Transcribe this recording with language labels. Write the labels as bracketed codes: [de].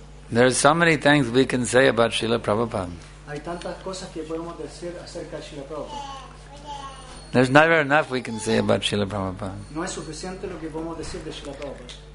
[en] there are so many things we can say about Srila Prabhupada. [es] Hay tantas cosas que podemos decir acerca de Srila Prabhupada. [en] There's never enough we can say about Srila Prabhupada. [es] No es suficiente lo que podemos decir de Srila Prabhupada.